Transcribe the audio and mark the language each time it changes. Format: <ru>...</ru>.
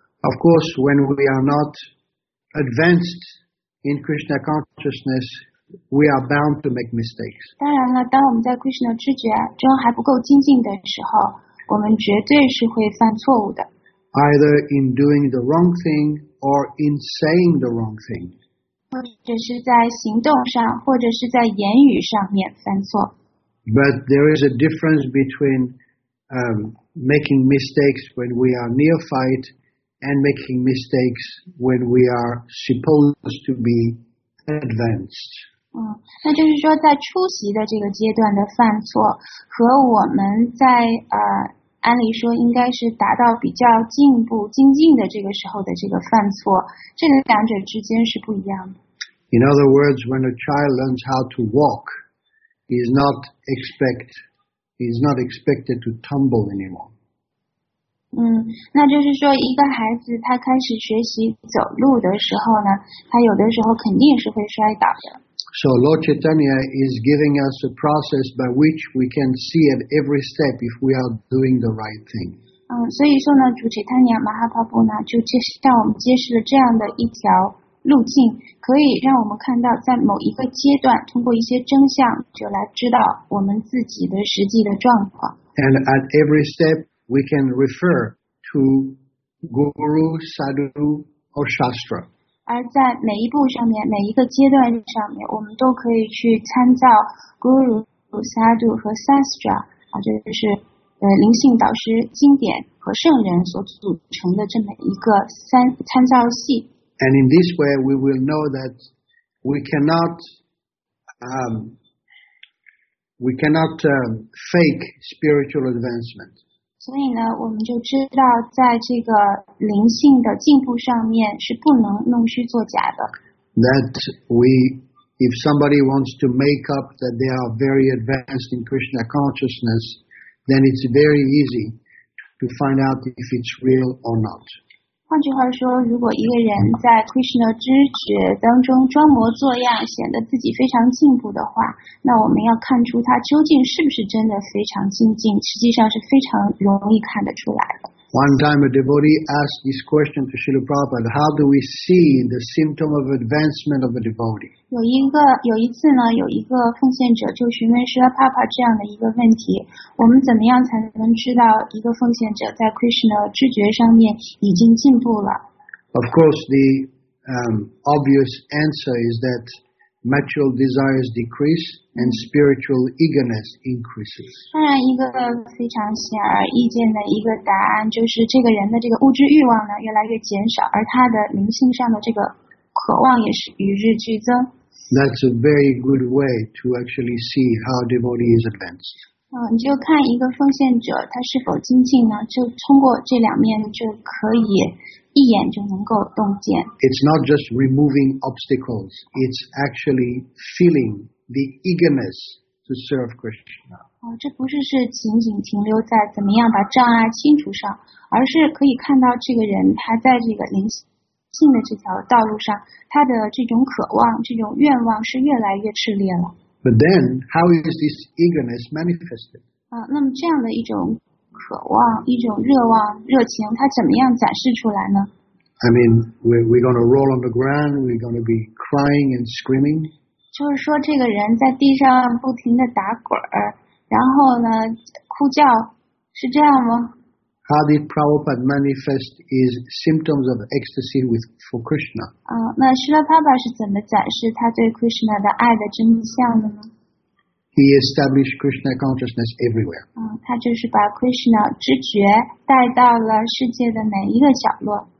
<en>Of course, when we are not advanced in Krishna consciousness,We are bound to make mistakes.</en> <zh>当然了，当我们在 Krishna 知觉中还不够精进的时候，我们绝对是会犯错误的。</zh> <en>Either in doing the wrong thing or in saying the wrong thing.</en> <zh>或者是在行动上，或者是在言语上面犯错。</zh> <en>But there is a difference between making mistakes when we are neophyte and making mistakes when we are supposed to be advanced.</en> <zh>那就是说在初习的这个阶段的犯错和我们在按理说应该是达到比较进步精进的这个时候的这个犯错，这个两者之间是不一样的。</zh> <en>In other words, when a child learns how to walk, he is not expected to tumble anymore.</en> <zh>那就是说一个孩子他开始学习走路的时候呢，他有的时候肯定是会摔倒的。</zh> <en>So Lord Chaitanya is giving us a process by which we can see at every step if we are doing the right thing.</en> <zh>所以说呢，主 Chaitanya Mahaprabhu 呢，就揭示向我们揭示了这样的一条路径，可以让我们看到在某一个阶段，通过一些真相，就来知道我们自己的实际的状况。</zh> <en>And at every step, we can refer to Guru, Sadhu, or Shastra.</en> <zh>而在每一步上面，每一个阶段上面，我们都可以去参照 Guru, Sadhu 和 Sastra, 这就是灵性导师经典和圣人所组成的这么一个参照系。</zh> <en>And in this way, we will know that we cannot fake spiritual advancement.</en> <zh>所以呢，我们就知道在这个灵性的进步上面是不能弄虚作假的。</zh> <en>That we, if somebody wants to make up that they are very advanced in Krishna consciousness, then it's very easy to find out if it's real or not.</en> <zh>换句话说，如果一个人在 Krishna 知觉当中装模作样，显得自己非常进步的话，那我们要看出他究竟是不是真的非常精进，实际上是非常容易看得出来的。</zh> <en>One time a devotee asked this question to Srila Prabhupada, how do we see the symptom of advancement of a devotee?</en> <zh>有一次呢，有一个奉献者就询问 Srila Prabhupada 这样的一个问题，我们怎么样才能知道一个奉献者在 Krishna 知觉上面已经进步了？</zh> <en>Of course, the obvious answer is that material desires decrease and spiritual eagerness increases.</en> <zh>当然，一个非常显而易见的一个答案就是，这个人的这个物质欲望呢越来越减少，而他的灵性上的这个渴望也是与日俱增。</zh> <en>That's a very good way to actually see how a devotee is advanced.</en> <zh>你就看一个奉献者他是否精进呢，就通过这两面就可以一眼就能够洞见。</zh> <en>It's not just removing obstacles, it's actually feeling the eagerness to serve Krishna.</en> <zh>这不是是仅仅停留在怎么样把障碍清除上，而是可以看到这个人他在这个灵性的这条道路上，他的这种渴望、这种愿望是越来越炽烈了。</zh> <en>But then, how is this eagerness manifested?</en> <zh>那么这样的一种渴望、一种热望、热情，它怎么样展示出来呢</zh> <en>？I mean, we're going to roll on the ground. We're going to be crying and screaming.</en> <zh>就是说，这个人在地上不停的打滚儿。然后呢，哭叫，是这样吗</zh> <en>？How did Prabhupada manifest his symptoms of ecstasy with for Krishna？</en> <zh>那Śrīla Prabhupāda是怎么展示他对 Krishna 的爱的真相的呢</zh> <en>？He established Krishna consciousness everywhere。</en> <zh>他就是把 Krishna 知觉带到了世界的每一个角落。</zh>